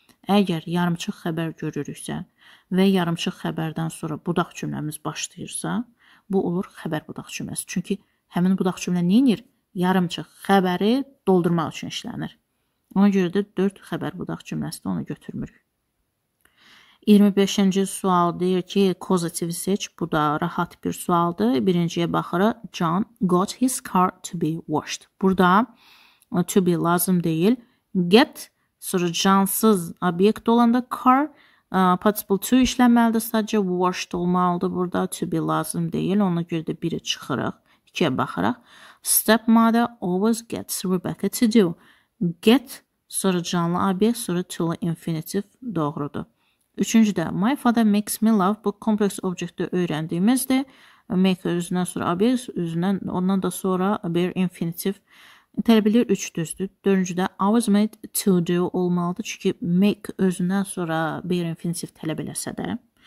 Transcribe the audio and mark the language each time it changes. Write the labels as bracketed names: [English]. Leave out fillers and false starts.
[Azerbaijani] Əgər yarımçıq xəbər görürüksə və yarımçıq xəbərdən sonra budaq cümləmiz başlayırsa, bu olur xəbər budaq cümləsi. Çünki həmin budaq cümlə nə edir? Yarımçıq xəbəri doldurmaq üçün işlənir. Ona görə də 4 xəbər budaq cümləsi də onu götürmürük. 25-ci sual deyir ki, causative seç, bu da rahat bir sualdır. Birinciyə baxırıq, [English] John got his car to be washed. [Azerbaijani] Burada to be lazım deyil. Get, sonra cansız obyekt olanda car, participle to işlənməlidir, sadəcə washed olmalıdır burada, to be lazım deyil. Ona görə də biri çıxırıq, ikiyə baxırıq. [English] Stepmother always gets Rebecca to do. [Azerbaijani] Get, sonra canlı obyekt, sonra to infinitive doğrudur. Üçüncü də, [English] my father makes me love. [Azerbaijani] Bu kompleks objektdə öyrəndiyimizdir. Make özündən sonra obyekt, özündən ondan da sonra bir infinitive. Tələbilir üç düzdür. Dördüncü də, [English] always made to do [Azerbaijani] olmalıdır. Çünki make özündən sonra bir infinitive tələb eləsə də.